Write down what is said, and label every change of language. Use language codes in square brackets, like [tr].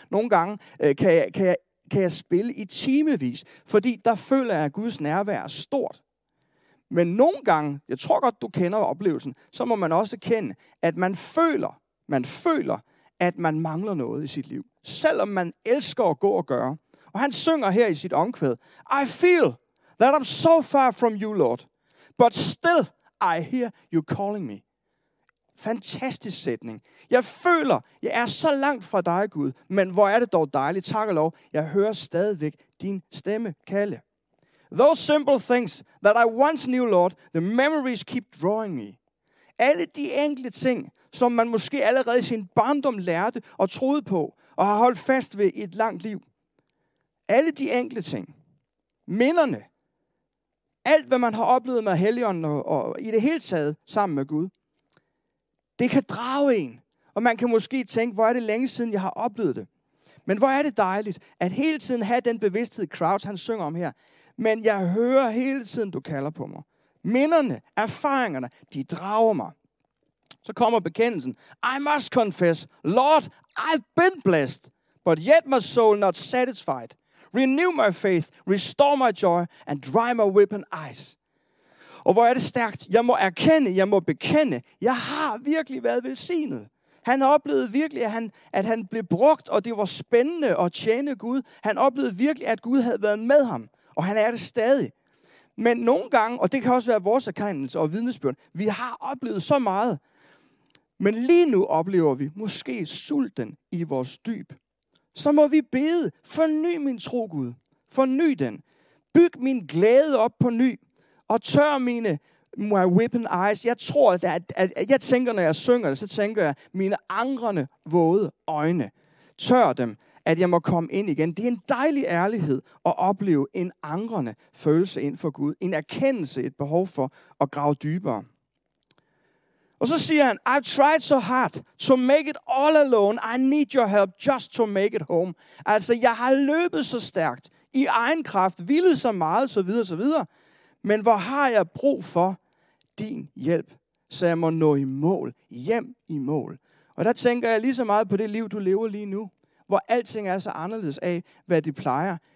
[da] Nogle gange kan jeg spille i timevis, fordi der føler jeg, at Guds nærvær er stort. Men nogle gange, jeg tror godt, du kender oplevelsen, så må man også kende, at man føler, at man mangler noget i sit liv. Selvom man elsker at gå og gøre. Og han synger her i sit omkvæd, [en] I feel that I'm so far from you, Lord, but still I hear you calling me. [da] Fantastisk sætning. Jeg føler, jeg er så langt fra dig, Gud, men hvor er det dog dejligt, tak og lov, jeg hører stadigvæk din stemme kalde. [en] Those simple things that I once knew, Lord, the memories keep drawing me. [da] Alle de enkle ting, som man måske allerede i sin barndom lærte og troede på, og har holdt fast ved i et langt liv. Alle de enkle ting, minderne, alt hvad man har oplevet med Helligånden og i det hele taget sammen med Gud, det kan drage en, og man kan måske tænke, hvor er det længe siden, jeg har oplevet det. Men hvor er det dejligt, at hele tiden have den bevidsthed, Crouch, han synger om her. Men jeg hører hele tiden, du kalder på mig. Minderne, erfaringerne, de drager mig. Så kommer bekendelsen. [en] I must confess, Lord, I've been blessed, but yet my soul not satisfied. Renew my faith, restore my joy, and dry my weeping eyes. [da] Og hvor er det stærkt? Jeg må erkende, jeg må bekende. Jeg har virkelig været velsignet. Han oplevede virkelig, at han blev brugt, og det var spændende at tjene Gud. Han oplevede virkelig, at Gud havde været med ham, og han er det stadig. Men nogle gange, og det kan også være vores erkendelse og vidnesbyrd, vi har oplevet så meget. Men lige nu oplever vi måske sulten i vores dyb. Så må vi bede, forny min tro, Gud. Forny den. Byg min glæde op på ny. Og tør mine [en] my weeping eyes. [da] Jeg tror, at jeg tænker, når jeg synger det, så tænker jeg, mine angrende våde øjne. Tør dem, at jeg må komme ind igen. Det er en dejlig ærlighed at opleve en angrende følelse ind for Gud. En erkendelse, et behov for at grave dybere. Og så siger han, [en] I've tried so hard to make it all alone. I need your help just to make it home. [da] Altså, jeg har løbet så stærkt i egen kraft, villet så meget, så videre, så videre. Men hvor har jeg brug for din hjælp, så jeg må nå i mål, hjem i mål. Og der tænker jeg lige så meget på det liv, du lever lige nu, hvor alting er så anderledes af, hvad det plejer.